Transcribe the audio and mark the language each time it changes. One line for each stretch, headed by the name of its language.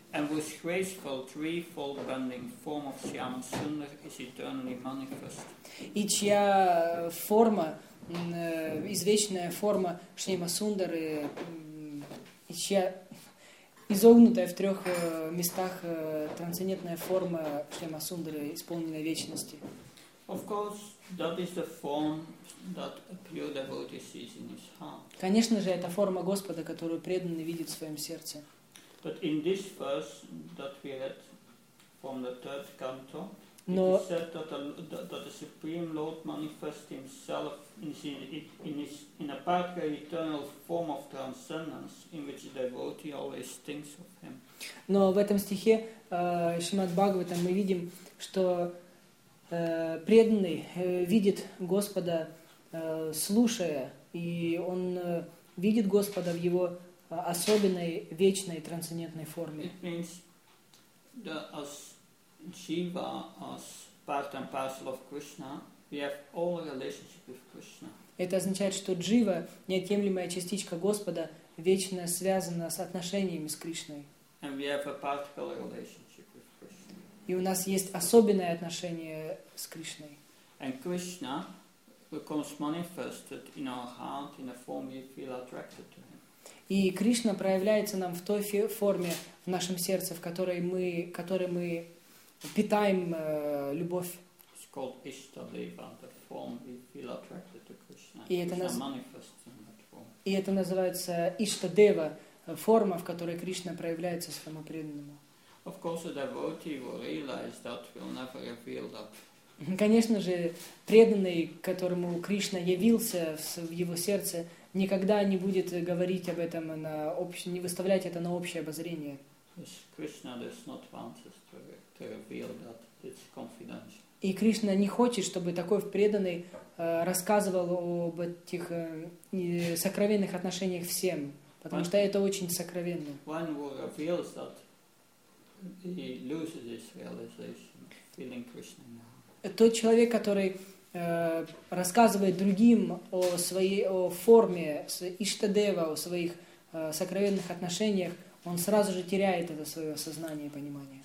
English: And whose graceful threefold bending form of Shyama Sundara is eternally manifest.
Russian: И чья форма, извечная форма Шьяма Сундары, и чья изогнутая в трех местах трансцендентная форма Шьяма Сундары, исполненная вечности.
English: Of course, that is the form that a pure devotee sees in his heart.
Russian: Конечно же, это форма Господа, которую преданный видит в своем сердце.
English: But in this verse that we read from the third canto, it is said that the Supreme Lord manifests himself in a particular eternal form of transcendence in which the devotee always thinks of him.
Russian: Но в этом стихе Шримад Бхагаватам мы видим, что преданный видит Господа, слушая, и он видит Господа в его особенной, вечной, трансцендентной форме.
English: It means Jiva as part and parcel of Krishna, we have all relationship with Krishna.
Russian: Это означает, что джива, неотъемлемая частичка Господа, вечно связана с отношениями с Кришной.
English: And we have a particular relationship with Krishna.
Russian: И у нас есть особенное отношение с Кришной.
English: And Krishna becomes manifested in our heart in a form we feel attracted to him.
Russian: И Кришна проявляется нам в той форме в нашем сердце, в которой мы, которой мы питаем любовь.
English: It's called Ishtadeva, the form we feel attracted to Krishna. Manifests in that form.
Russian: И это называется Ishtadeva, форма, в которой Кришна проявляется своему преданному.
English: Of course, a devotee will realize that will never reveal that.
Russian: Конечно же, преданный, которому Кришна явился в его сердце, никогда не будет говорить об этом не выставлять это на общее обозрение.
English: Yes, Krishna does not want us to reveal that it's confidential.
Russian: И Кришна не хочет, чтобы такой преданный рассказывал об этих сокровенных отношениях всем. Потому что это очень сокровенно.
English: One who reveals that he loses this realization, feeling Krishna now.
Russian: Тот человек, который рассказывает другим о своей о форме Иштадева, о своих сокровенных отношениях, он сразу же теряет это свое сознание и понимание.